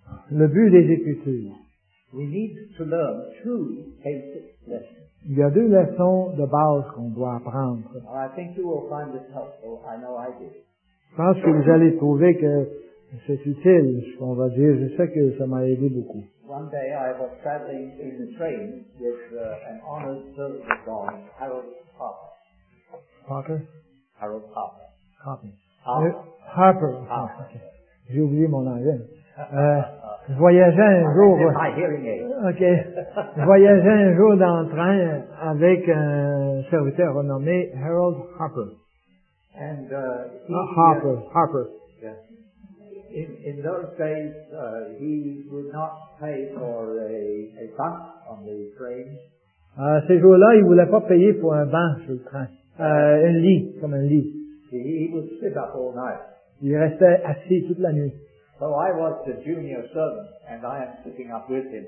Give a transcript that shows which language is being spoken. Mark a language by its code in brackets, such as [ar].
[fr] Le but des Écritures. [en] We need to learn two basic lessons. [fr] Il y a deux leçons de base qu'on doit apprendre. [en] I think you will find this helpful. I know I do. [fr] Je pense que vous allez trouver que c'est utile, ce qu'on va dire. Je sais que ça m'a aidé beaucoup. [en] One day I was traveling in the train with an honored service dog, Harold Harper. Parker? Harold Harper. Harper. Harper. [fr] Harper. J'ai oublié mon anglais. Je voyageais un jour. [en] My hearing aid. [fr] Ok. Je voyageais un jour dans le train avec un serviteur renommé Harold Harper. [en] And Harper. Yes. In those days, he would not pay for a bunk on the train. [fr] Ces jours-là, il voulait pas payer pour un banc sur le train, un lit comme un lit. [en] He would sit up all night. [fr] Il restait assis toute la nuit. [en] So I was the junior servant, and I am sitting up with him.